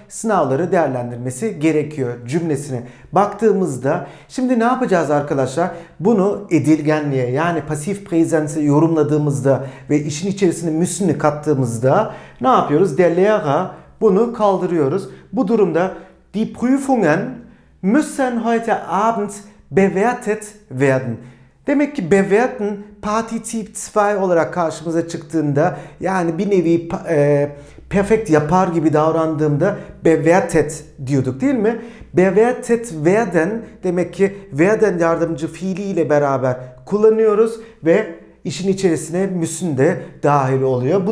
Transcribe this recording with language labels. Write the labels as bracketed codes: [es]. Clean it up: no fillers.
[tr] Sınavları değerlendirmesi gerekiyor cümlesine baktığımızda. Şimdi ne yapacağız arkadaşlar? Bunu edilgenliğe, yani pasif präsense yorumladığımızda ve işin içerisine müssen'i kattığımızda ne yapıyoruz? Der Lehrer, bunu kaldırıyoruz. Bu durumda [de] die Prüfungen müssen heute Abend bewertet werden. [tr] Demek ki bewerten Partizip 2 olarak karşımıza çıktığında, yani bir nevi perfekt yapar gibi davrandığımda bewertet diyorduk değil mi? [de] Bewertet werden, [tr] demek ki werden yardımcı fiiliyle beraber kullanıyoruz ve işin içerisine müssen de dahil oluyor.